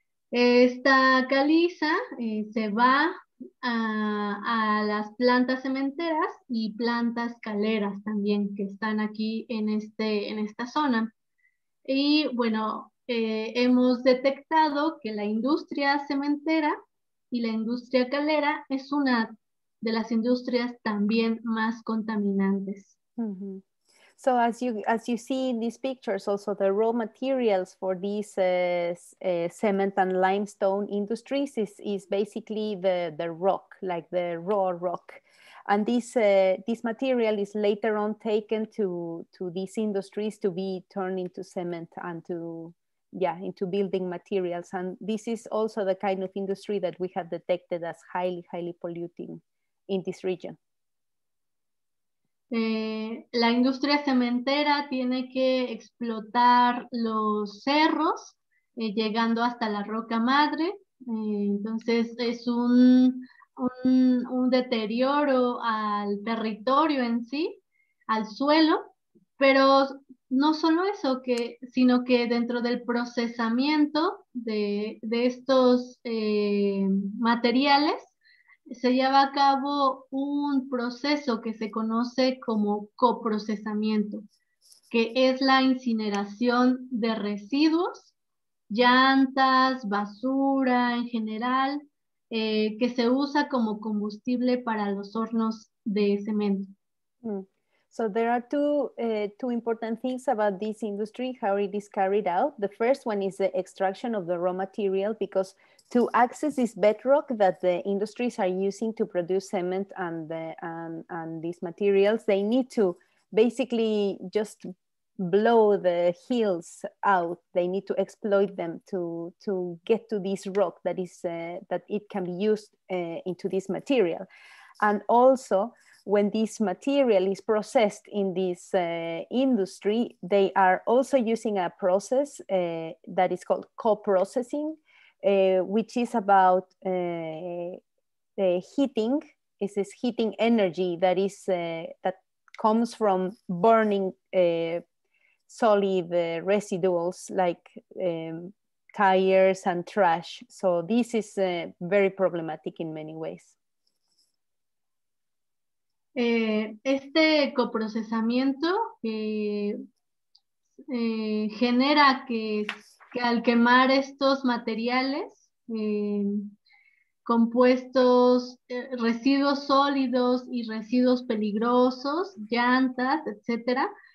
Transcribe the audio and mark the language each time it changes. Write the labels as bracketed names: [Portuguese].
[Spanish] Esta caliza se va a las plantas cementeras y plantas caleras también que están aquí en esta zona. Y bueno, hemos detectado que la industria cementera y la industria calera es una de las industrias también más contaminantes. Mm-hmm. [English] So as you see in these pictures, also the raw materials for these cement and limestone industries is basically the rock, like the raw rock. And this material is later on taken to these industries to be turned into cement and into building materials. And this is also the kind of industry that we have detected as highly, highly polluting in this region. [Spanish] La industria cementera tiene que explotar los cerros llegando hasta la roca madre, entonces es un deterioro al territorio en sí, al suelo, pero no solo eso, sino que dentro del procesamiento de estos materiales, se lleva a cabo un proceso que se conoce como coprocesamiento, que es la incineración de residuos, llantas, basura en general, que se usa como combustible para los hornos de cemento. [English] So there are two important things about this industry, how it is carried out. The first one is the extraction of the raw material, because to access this bedrock that the industries are using to produce cement and these materials, they need to basically just blow the hills out. They need to exploit them to get to this rock that is that it can be used into this material. And also, when this material is processed in this industry, they are also using a process that is called co-processing, which is about the heating. It's this heating energy that is that comes from burning solid residuals like tires and trash. So this is very problematic in many ways. [Spanish] Este coprocesamiento genera que al quemar estos materiales, compuestos, residuos sólidos y residuos peligrosos, llantas, etcétera,